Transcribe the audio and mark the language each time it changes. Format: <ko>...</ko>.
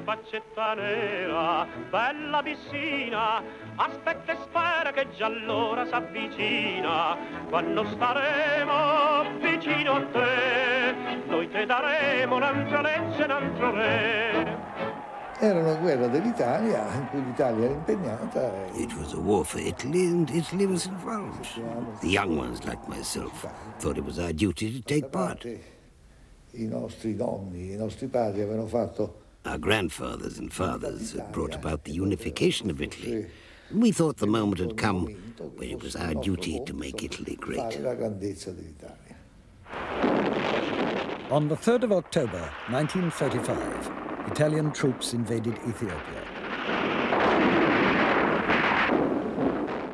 <it>Faccetta nera, bella abissina, aspetta e spera che già l'ora s'avvicina. Quando staremo vicino a te, noi te daremo un'altra legge, un altro re. Era una guerra dell'Italia, in cui l'Italia era impegnata.</it> <en>It was a war for Italy, and Italy was involved. The young ones, like myself, thought it was our duty to take part.</en> <it>I nostri nonni, I nostri padri avevano fatto.</it> <en>Our grandfathers and fathers had brought about the unification of Italy. We thought the moment had come when it was our duty to make Italy great. On the 3rd of October, 1935, Italian troops invaded Ethiopia.</en>